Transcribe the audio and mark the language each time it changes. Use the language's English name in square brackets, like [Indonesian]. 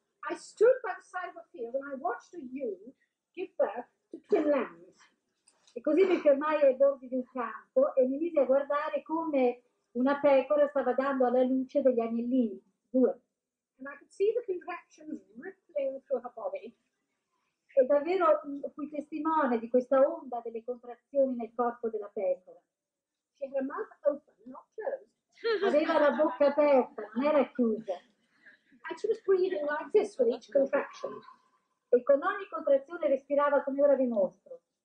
[English] I stood by the side of a field and I watched a ewe give birth to twin lambs. [Italian] E così mi fermai ai bordi di un campo e mi mise a guardare come una pecora stava dando alla luce degli agnellini, due. [English] And I could see the contractions rippling through her body. [Italian] E davvero fui testimone di questa onda delle contrazioni nel corpo della pecora. [English] She had her mouth open, not closed. [Italian] Aveva la bocca aperta, non era chiusa. [English] And she was breathing like this with each contraction. [Italian] E con ogni contrazione respirava come ora vi mostro.